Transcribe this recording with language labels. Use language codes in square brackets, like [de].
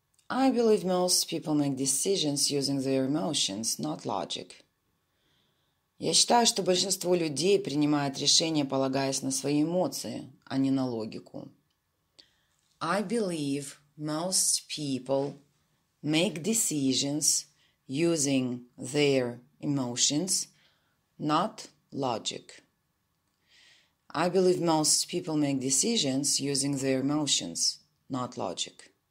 [en] I believe most people make decisions using their emotions, not logic. [ru] Я считаю, что большинство людей принимает решения, полагаясь на свои эмоции, а не на логику. [en] I believe most people make decisions using their emotions, not logic. I believe most people make decisions using their emotions, not logic.